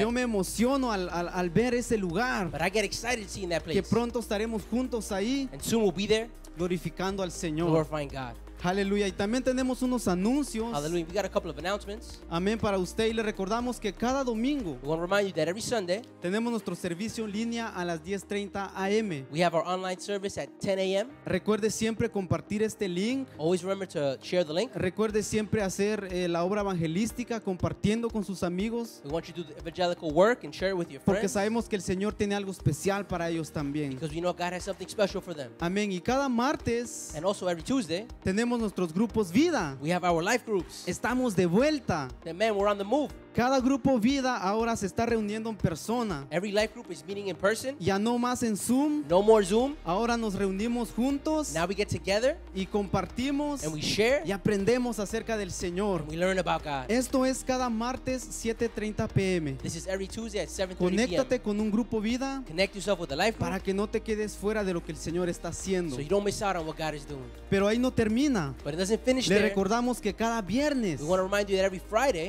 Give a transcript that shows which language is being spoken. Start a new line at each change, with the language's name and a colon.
Spanish: Yo me emociono al ver ese lugar.
English: But I get excited seeing that place.
Spanish: Que pronto estaremos juntos ahí.
English: And soon we'll be there.
Spanish: Glorificando al Señor.
English: Glorifying God.
Spanish: Aleluya. Y también tenemos unos anuncios.
English: Hallelujah. We got a couple of announcements.
Spanish: Amén. Para usted. Y le recordamos que cada domingo.
English: We want to remind you that every Sunday.
Spanish: Tenemos nuestro servicio en línea a las 10:30 a.m.
English: We have our online service at 10 a.m.
Spanish: Recuerde siempre compartir este link.
English: Always remember to share the link.
Spanish: Recuerde siempre hacer la obra evangelística compartiendo con sus amigos.
English: We want you to do the evangelical work and share it with your friends.
Spanish: Porque sabemos que el Señor tiene algo especial para ellos también.
English: Because we know God has something special for them.
Spanish: Amén. Y cada martes.
English: And also every Tuesday.
Spanish: Tenemos nuestros grupos vida.
English: We have our life groups.
Spanish: Estamos de vuelta.
English: Amen, we're on the move.
Spanish: Cada grupo vida ahora se está reuniendo en persona.
English: Every life group is meeting in person.
Spanish: Ya no más en Zoom.
English: No more Zoom.
Spanish: Ahora nos reunimos juntos.
English: Now we get together.
Spanish: Y compartimos.
English: And we share.
Spanish: Y aprendemos acerca del Señor.
English: And we learn about God.
Spanish: Esto es cada martes 7:30 p.m.
English: This is every Tuesday at 7:30 p.m.
Spanish: Conéctate con un grupo vida.
English: Connect yourself with the life group.
Spanish: Para que no te quedes fuera de lo que el Señor está haciendo.
English: So you don't miss out on what God is doing.
Spanish: Pero ahí no termina.
English: But it doesn't finish
Spanish: Le
English: there.
Spanish: Recordamos que cada viernes.
English: We want to remind you that every Friday.